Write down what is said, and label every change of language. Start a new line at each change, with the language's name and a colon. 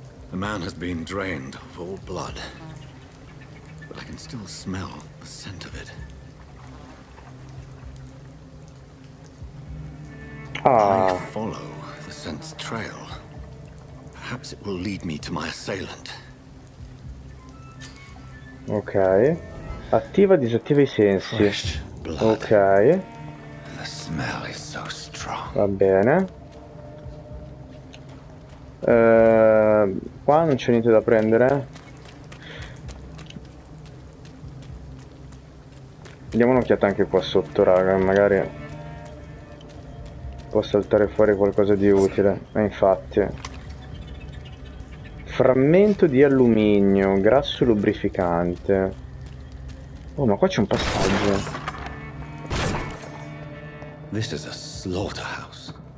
English: The man has been drained of all blood, but I can still smell the scent of it. Ah. I follow the scent's trail. Perhaps it will lead me to my assailant. Ok.
Italian: Attiva, disattiva i sensi. Ok.
English: The smell is so strong.
Italian: Va bene. Qua non c'è niente da prendere. Diamo un'occhiata anche qua sotto, raga, magari. Può saltare fuori qualcosa di utile. Ma infatti. Frammento di alluminio. Grasso lubrificante. Oh, ma qua c'è un passaggio.
English: This is a slaughterhouse.